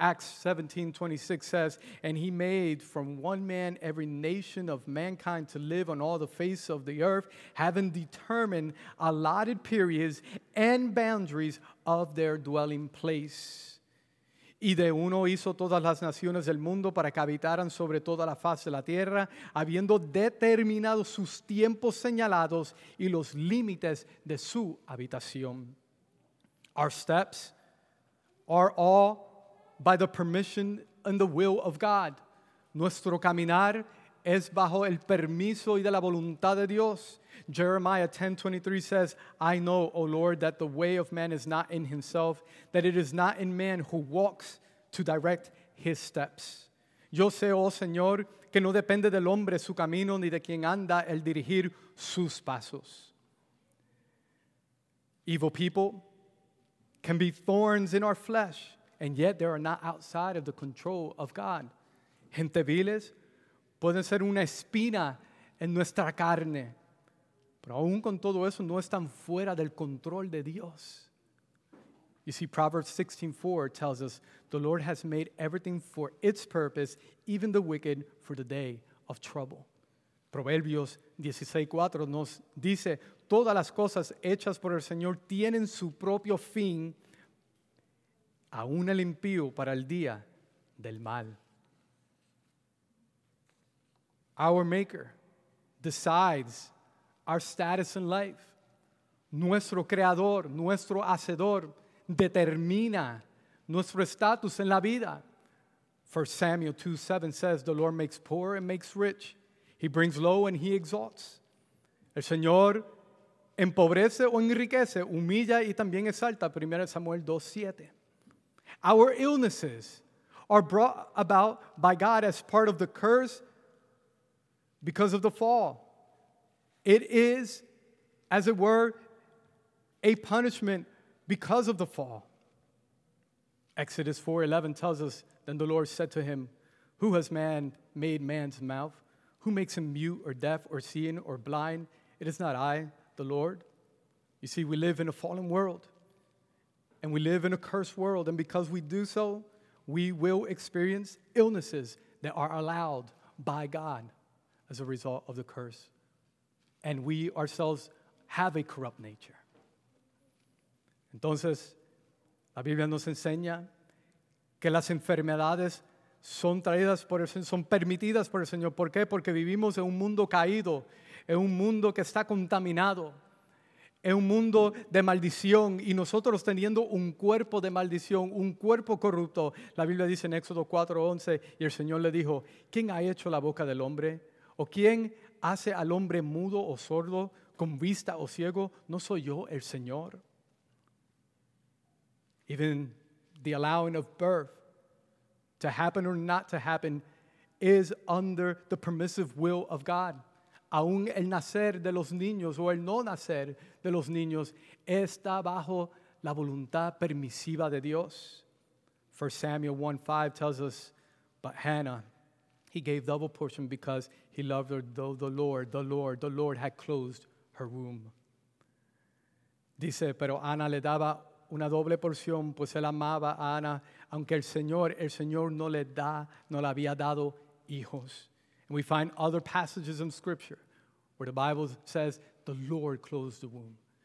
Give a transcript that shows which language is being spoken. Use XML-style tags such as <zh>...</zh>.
<en>Acts 17:26 says, and he made from one man every nation of mankind to live on all the face of the earth, having determined allotted periods and boundaries of their dwelling place.</en> <es>Y de uno hizo todas las naciones del mundo para que habitaran sobre toda la faz de la tierra, habiendo determinado sus tiempos señalados y los límites de su habitación.</es> <en>Our steps are all by the permission and the will of God.</en> <es>Nuestro caminar es bajo el permiso y de la voluntad de Dios.</es> <en>Jeremiah 10:23 says, I know, O Lord, that the way of man is not in himself, that it is not in man who walks to direct his steps.</en> <es>Yo sé, oh Señor, que no depende del hombre su camino ni de quien anda el dirigir sus pasos.</es> <en>Evil people can be thorns in our flesh, and yet they are not outside of the control of God.</en> <es>Gente viles pueden ser una espina en nuestra carne, pero aún con todo eso no están fuera del control de Dios.</es> <en>You see, Proverbs 16:4 tells us, the Lord has made everything for its purpose, even the wicked for the day of trouble.</en> <es>Proverbios 16:4 nos dice, todas las cosas hechas por el Señor tienen su propio fin, aún el impío para el día del mal.</es> <en>Our Maker decides our status in life.</en> <es>Nuestro Creador, nuestro Hacedor, determina nuestro estatus en la vida.</es> <en>1 Samuel 2:7 says, the Lord makes poor and makes rich. He brings low and he exalts.</en> <es>El Señor empobrece o enriquece, humilla y también exalta.</es> <en>1 Samuel 2:7. Our illnesses are brought about by God as part of the curse because of the fall. It is, as it were, a punishment because of the fall. Exodus 4:11 tells us, then the Lord said to him, who has man made man's mouth? Who makes him mute or deaf or seeing or blind? It is not I, the Lord. You see, we live in a fallen world, and we live in a cursed world, and because we do so, we will experience illnesses that are allowed by God as a result of the curse. And we ourselves have a corrupt nature.</en> <es>Entonces, la Biblia nos enseña que las enfermedades son traídas por el Señor, son permitidas por el Señor. ¿Por qué? Porque vivimos en un mundo caído, en un mundo que está contaminado, en un mundo de maldición. Y nosotros teniendo un cuerpo de maldición, un cuerpo corrupto. La Biblia dice en Éxodo 4:11, y el Señor le dijo, ¿quién ha hecho la boca del hombre? ¿O quién hace al hombre mudo o sordo, con vista o ciego? ¿No soy yo el Señor?</es> <en>Even the allowing of birth to happen or not to happen is under the permissive will of God.</en> <es>Aún el nacer de los niños o el no nacer de los niños está bajo la voluntad permisiva de Dios.</es> <en>1 Samuel 1:5 tells us, but Hannah, he gave double portion because he loved her, though the Lord had closed her womb.</en> <es>Dice, pero Ana le daba una doble porción, pues él amaba a Ana, aunque el Señor no le da, no le había dado hijos.</es> <en>And we find other passages in scripture where the Bible says the Lord closed the womb.</en>